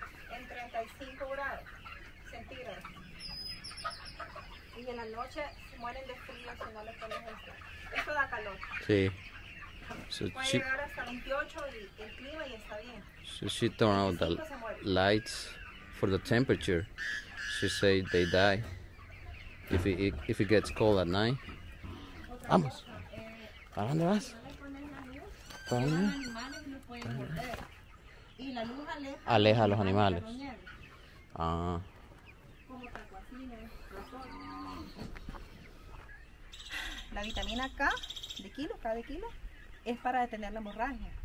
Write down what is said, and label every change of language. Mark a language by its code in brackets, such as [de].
[es] En 35 grados centígrados. Y en la noche se mueren de frío si no le pones esto. Esto da calor. Sí. So puede llegar hasta 28 y el clima y está bien. [en] So she turned out the lights for the temperature. She said they die if it gets cold at night. [es] Vamos. ¿Para dónde vas? ¿Para dónde? Los animales no pueden morder. Y la luz aleja a los animales. Ah. Como tacuacines, la vitamina K de kilo, K de kilo, es para detener la hemorragia.